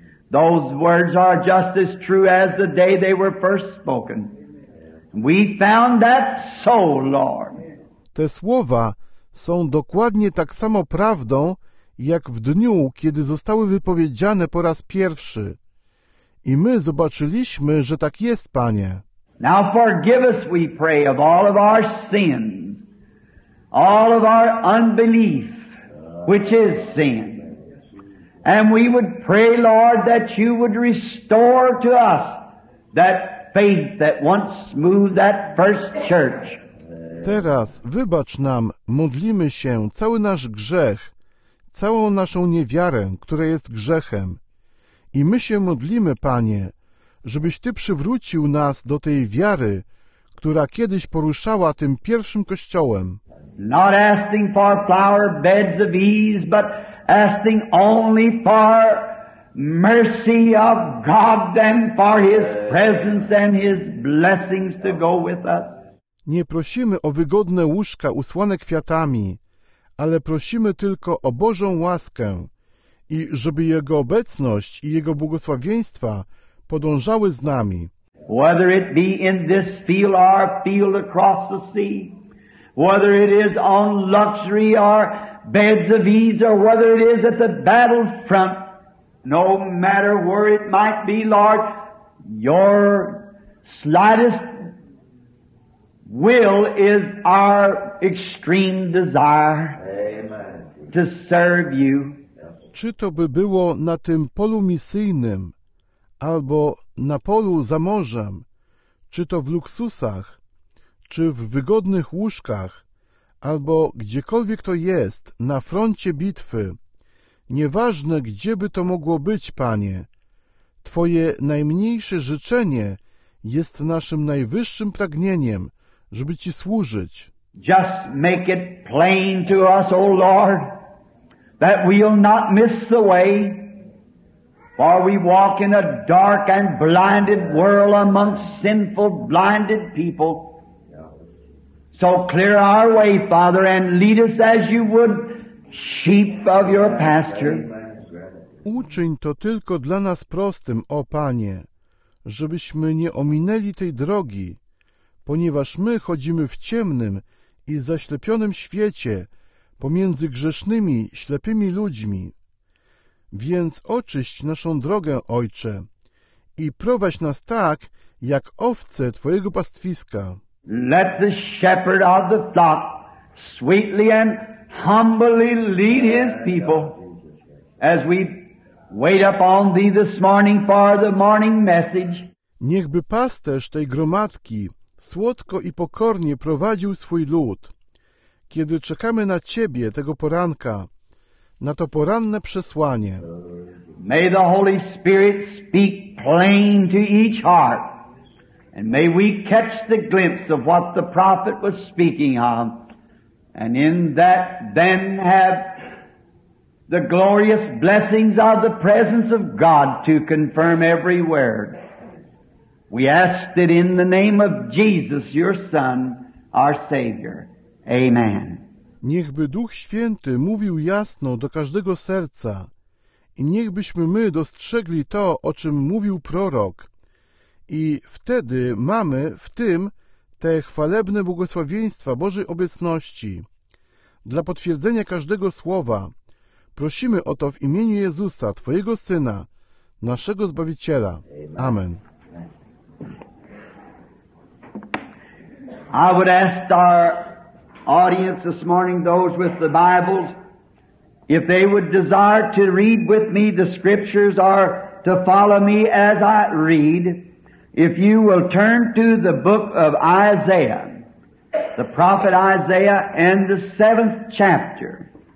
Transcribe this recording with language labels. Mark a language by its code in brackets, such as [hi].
[en] Those words are just as true as the day they were first spoken. We found that soul, Lord. [pl] Te słowa są dokładnie tak samo prawdą, jak w dniu, kiedy zostały wypowiedziane po raz pierwszy. I my zobaczyliśmy, że tak jest, Panie. [en] Now forgive us, we pray, of all of our sins, all of our unbelief, which is sin. And we would pray, Lord, that you would restore to us that faith that once moved that first church. [pl] Teraz wybacz nam, modlimy się, cały nasz grzech, całą naszą niewiarę, która jest grzechem. I my się modlimy, Panie, żebyś Ty przywrócił nas do tej wiary, która kiedyś poruszała tym pierwszym kościołem. [en] Not asking for flower beds of ease, but asking only for mercy of God and for His presence and His blessings to go with us. [pl] Nie prosimy o wygodne łóżka usłane kwiatami, ale prosimy tylko o Bożą łaskę i żeby Jego obecność i Jego błogosławieństwa podążały z nami. [en] Whether it be in this field or a field across the sea, whether it is on luxury or beds of ease, or whether it is at the battlefront, no matter where it might be, Lord, your slightest will is our extreme desire. Amen. To serve you. [pl] Czy to by było na tym polu misyjnym, albo na polu za morzem, czy to w luksusach, czy w wygodnych łóżkach, albo gdziekolwiek to jest, na froncie bitwy, nieważne, gdzie by to mogło być, Panie, Twoje najmniejsze życzenie jest naszym najwyższym pragnieniem, żeby Ci służyć. [en] Just make it plain to us, O Lord, that we'll not miss the way, for we walk in a dark and blinded world amongst sinful, blinded people. So clear our way, Father, and lead us as you would sheep of your pasture. [pl] Uczyń to tylko dla nas prostym, o Panie, żebyśmy nie ominęli tej drogi, ponieważ my chodzimy w ciemnym i zaślepionym świecie pomiędzy grzesznymi, ślepymi ludźmi. Więc oczyść naszą drogę, Ojcze, i prowadź nas tak, jak owce Twojego pastwiska. [en] Let the shepherd of the flock sweetly and humbly lead his people as we wait upon thee this morning for the morning message. [pl] Niechby pasterz tej gromadki słodko i pokornie prowadził swój lud, kiedy czekamy na Ciebie tego poranka, na to poranne przesłanie. [en] May the Holy Spirit speak plain to each heart, and may we catch the glimpse of what the prophet was speaking of, and in that then have the glorious blessings of the presence of God to confirm every word. We ask it in the name of Jesus, your Son, our Savior. Amen. [pl] Niechby Duch Święty mówił jasno do każdego serca i niechbyśmy my dostrzegli to, o czym mówił prorok. I wtedy mamy w tym te chwalebne błogosławieństwa Bożej obecności. Dla potwierdzenia każdego słowa prosimy o to w imieniu Jezusa, Twojego Syna, naszego Zbawiciela. Amen. [en] I would ask our audience this morning, those with the Bibles, if they would desire to read with me the scriptures or to follow me as I read, if you will turn to the book of Isaiah, the prophet Isaiah, and the 7th chapter.